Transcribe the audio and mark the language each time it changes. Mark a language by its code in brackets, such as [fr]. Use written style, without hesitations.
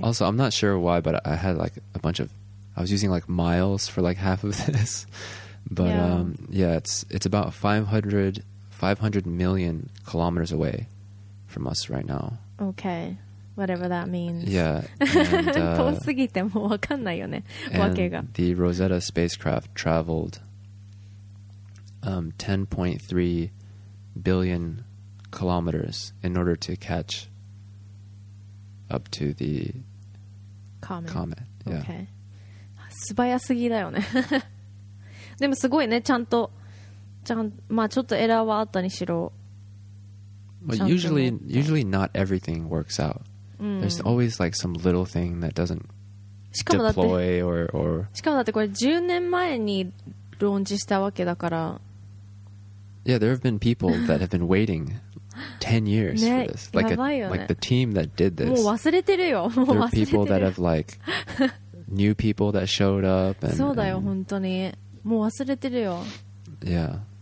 [en] Also, I'm not sure why, but I had like a bunch of... I was using like miles for like half of this. But yeah, it's about 500 million kilometers away from us right now. Okay. Whatever that means. Yeah. [ja] 遠すぎてもう分かんないよね、わけが。 [en] The Rosetta spacecraft traveled 10.3 billion kilometers in order to catch up to the comet. Yeah. Okay. [ja] 素早すぎだよね。でもすごいね、ちゃんと、まあちょっとエラーはあったにしろ。 [en] But usually not everything works out. There's always like some little thing that doesn't deploy or [ja] しかもだってこれ10年前にローンチしたわけだから。 [en] Yeah, there have been people that have been waiting 10 years for this. [ja] Like, やばいよね。 [en] Like the team that did this. [ja] もう忘れてるよ。 [en] There are people that have like new people that showed up. [ja] そうだよ、本当に。もう忘れてるよ。 [en] Yeah.